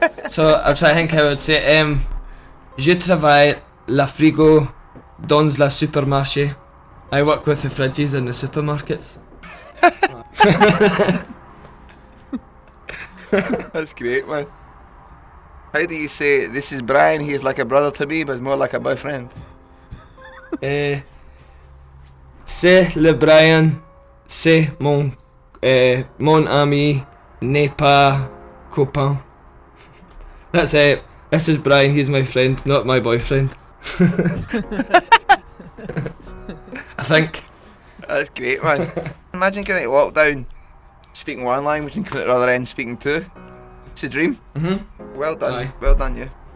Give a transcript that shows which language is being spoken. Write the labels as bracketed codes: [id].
[en] So I'm trying to think how I would say it. [fr] Je travaille la frigo dans la supermarché. [en] I work with the fridges in the supermarkets. That's great, man. How do you say, this is Brian, he's like a brother to me, but more like a boyfriend? [fr] C'est le Brian, c'est mon ami, n'est pas copain. [en] That's it. This is Brian, he's my friend, not my boyfriend. I think. That's great, man. Imagine getting out of lockdown, speaking one language and coming at the other end speaking two. It's a dream. Mm-hmm. Well done. Aye. Well done, you.